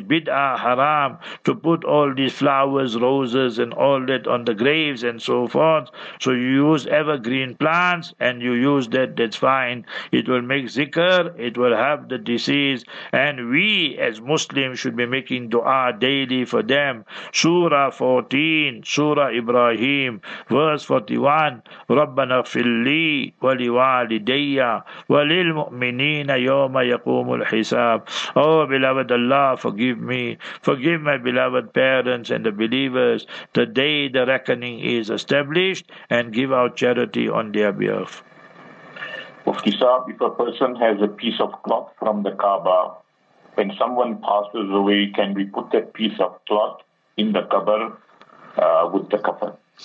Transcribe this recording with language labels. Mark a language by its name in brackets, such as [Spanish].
[English] is bid'ah, haram, to put all these flowers, roses and all that on the graves and so forth. So you use evergreen plants and you use that, that's fine. It will make zikr, it will help the deceased. And we as Muslims should be making dua daily for them. Surah 14, Surah Ibrahim, verse 41, [Arabic] رَبَّنَا فِلِّي وَلِوَالِدَيَّ وَلِلْمُؤْمِنِينَ يَوْمَ يَقُومُ الْحِسَابُ. [English] Oh, beloved Allah, forgive me. Forgive my beloved parents and the believers the day the reckoning is established, and give out charity on their behalf. Muftisab, if a person has a piece of cloth from the Kaaba, when someone passes away, can we put that piece of cloth in the qabr with the kafan?